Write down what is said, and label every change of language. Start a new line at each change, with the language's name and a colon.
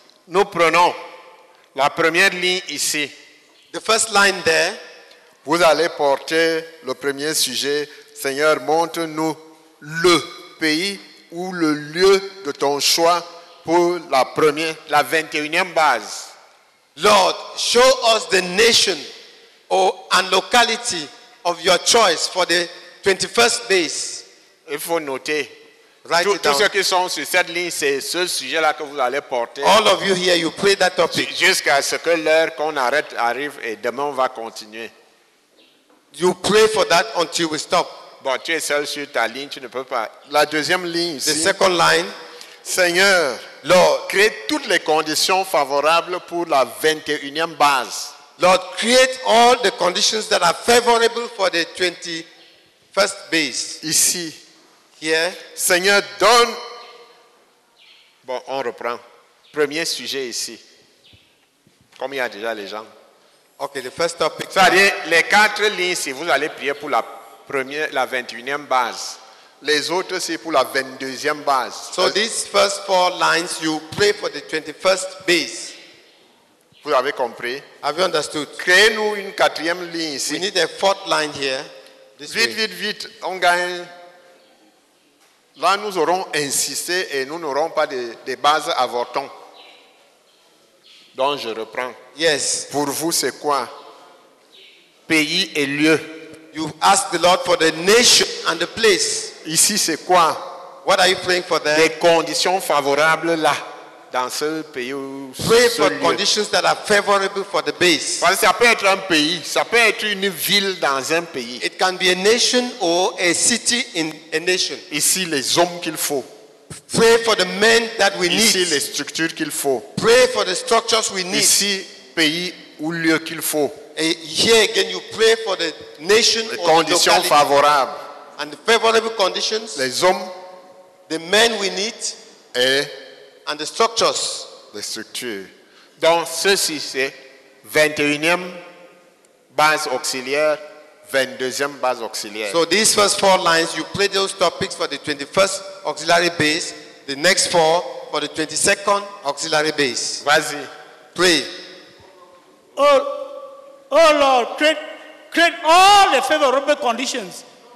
French: Nous prenons La première ligne ici.
English: The first line there.
French: Vous allez porter le premier sujet. Seigneur, montre-nous le pays ou le lieu de ton choix pour la première, la 21e base.
English: Lord, show us the nation or and locality of your choice for the 21st base.
French: Il faut noter. Tous ceux qui sont sur cette ligne, c'est ce sujet-là que vous allez porter.
English: All of you here, you pray that topic.
French: Jusqu'à ce que l'heure qu'on arrête arrive et demain on va continuer.
English: You pray for that until we stop.
French: Bon, tu es seul sur ta ligne, tu ne peux pas. La deuxième ligne.
English: The second line.
French: Seigneur,
English: Lord,
French: crée toutes les conditions favorables pour la 21e base.
English: Lord, create all the conditions that are favorable for the 21st base.
French: Ici.
English: Yeah.
French: Seigneur, donne. Bon, on reprend. Premier sujet ici. Comme il y a déjà les gens.
English: Ok, the first topic.
French: C'est-à-dire, les quatre lignes, si vous allez prier pour la 21e base. Les autres, c'est pour la 22e base.
English: So, these first four lines, you pray for the 21st base.
French: Vous avez compris?
English: Have you understood?
French: Créez-nous une quatrième ligne ici.
English: We need a fourth line here.
French: Vite, on gagne. Là, nous aurons insisté et nous n'aurons pas de base avortons. Donc, je reprends.
English: Yes.
French: Pour vous, c'est quoi? Pays et lieu.
English: You ask the Lord for the nation and the place.
French: Ici, c'est quoi?
English: What are you praying for there?
French: Des conditions favorables là, dans ce pays ou
English: pray
French: ce
English: for
French: lieu.
English: Conditions that are favorable for the base.
French: Parce que ça peut être un pays, ça peut être une ville dans un pays.
English: It can be a nation or a city in a nation.
French: Ici, les hommes qu'il faut.
English: Pray for the men that we
French: ici,
English: need.
French: Ici, les structures qu'il faut.
English: Pray for the structures we need.
French: Ici, pays ou lieu qu'il faut.
English: And here again, you pray for the nation
French: les conditions favorables.
English: And the favorable conditions.
French: Les hommes.
English: The men we need.
French: Et
English: and the structures.
French: Les structures. Donc, ceci, c'est 21e base auxiliaire, 22e base auxiliaire.
English: So, these first four lines, you pray those topics for the 21st auxiliary base. The next four for the 22nd auxiliary base.
French: Vas-y.
English: Pray. Oh Lord, create all the favorable conditions.